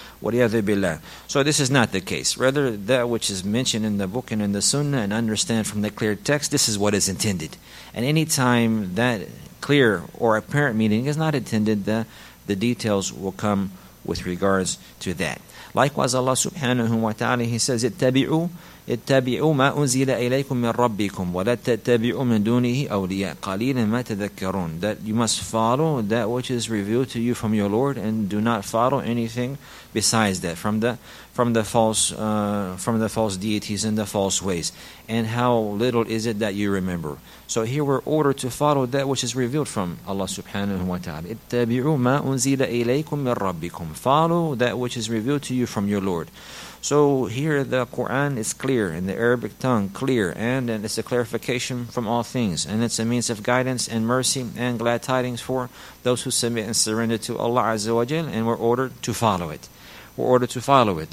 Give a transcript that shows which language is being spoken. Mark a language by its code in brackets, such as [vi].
[en] So this is not the case. Rather, that which is mentioned in the book and in the sunnah, and understand from the clear text, this is what is intended. And any time that clear or apparent meaning is not intended, the details will come with regards to that. Likewise, Allah subhanahu wa ta'ala, He says, [ar] اتبعوا ما أنزل إليكم من ربكم ولا تتبعوا من دونه أولياء قليلا ما تذكرون. [en] That you must follow that which is revealed to you from your Lord, and do not follow anything besides that from the false deities and the false ways. And how little is it that you remember? So here we're ordered to follow that which is revealed from Allah subhanahu wa ta'ala. [ar] اتبعوا ما أنزل إليكم من ربكم. [en] Follow that which is revealed to you from your Lord. So here the Quran is clear in the Arabic tongue, clear, and it's a clarification from all things, and it's a means of guidance and mercy and glad tidings for those who submit and surrender to Allah Azza wa Jal, and we're ordered to follow it.